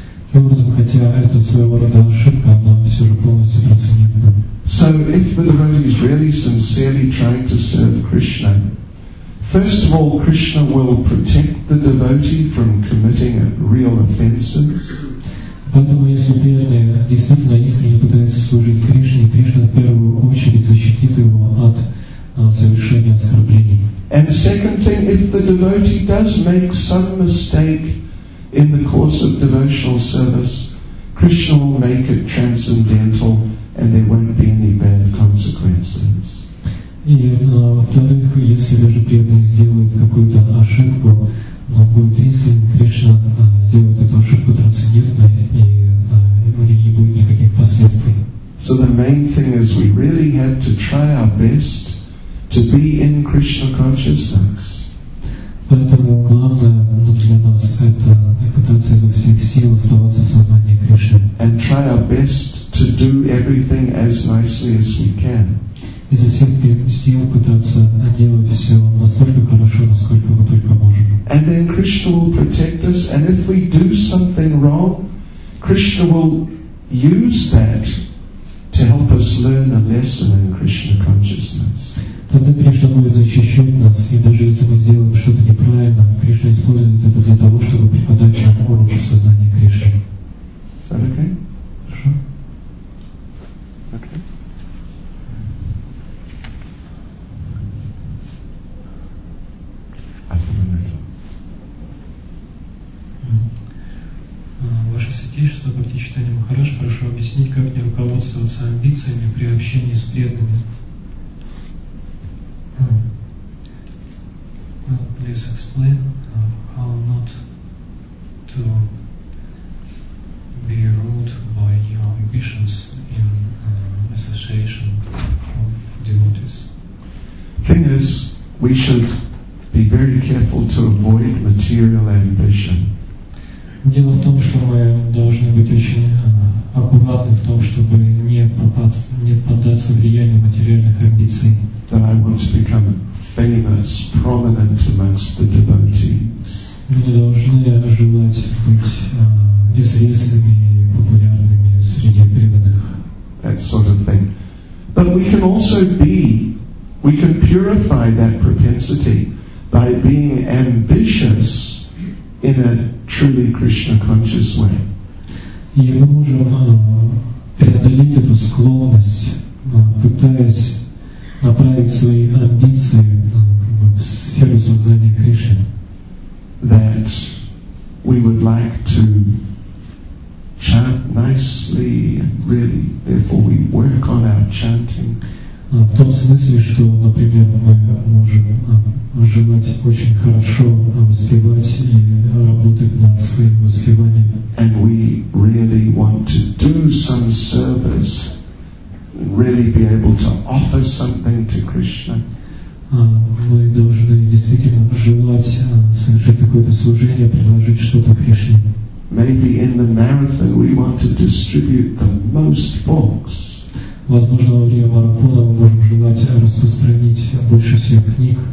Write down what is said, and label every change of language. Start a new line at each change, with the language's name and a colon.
English: So if the devotee is really sincerely trying to serve Krishna, first of all, Krishna will protect the devotee from committing real offenses.
Russian: Поэтому если верный действительно искренне пытается служить Кришне, Кришна в первую очередь защитит его от совершения оскорблений.
English: And second thing, if the devotee does make some mistake in the course of devotional service, Krishna will make it transcendental and there won't be any bad consequences.
Russian: И во-вторых, если даже преданный сделает какую-то ошибку, но будет искренне, Кришна сделает эту ошибку трансцендентной, и у нее не будет никаких последствий.
English: So the main thing is we really have to try our best to be in Krishna consciousness.
Russian: Поэтому главное для нас это пытаться изо всех сил оставаться в сознании Кришны.
English: And try our best to do everything as nicely as we can.
Russian: Изо всех сил пытаться делать все настолько хорошо, насколько мы только можем.
English: And then Krishna will protect us, and if we do something wrong, Krishna will use that to help us learn a lesson in Krishna consciousness.
Russian: Тогда Кришна будет защищать нас, и даже если мы сделаем что-то неправильно, Кришна использует это для того, чтобы преподать нам уроки сознания Кришны.
English: Is that okay?
Russian: Хорошо.
English: Okay.
Russian: Ваше святейшество, Бхактичитанья Махарадж, прошу объяснить, как не руководствоваться амбициями при общении с преданными.
English: Well, please explain how not to be ruled by your ambitions in association of devotees. Thing is, we should be very careful to avoid material ambition.
Russian: Дело в том, что мы должны быть очень аккуратны в том, чтобы не поддаться влиянию материальных амбиций.
English: That I want to become famous, prominent amongst the devotees.
Russian: Мы не должны желать быть известными и популярными среди преданных.
English: That sort of thing. But we can purify that propensity by being ambitious in a truly Krishna conscious way.
Russian: И мы можем преодолеть эту склонность, пытаясь направить свои амбиции в сферу сознания Кришны.
English: That we would like to chant nicely and really, therefore we work on our chanting.
Russian: В том смысле, что, например, мы можем желать очень хорошо воспевать и работать над своим воспеванием.
English: And we really want to do some service, really be able to offer something to Krishna.
Russian: Мы должны действительно желать совершить какое-то служение, предложить что-то Кришне.
English: Maybe in the marathon we want to distribute the most books.
Russian: Возможно, во время марафона мы можем желать распространить больше всех книг.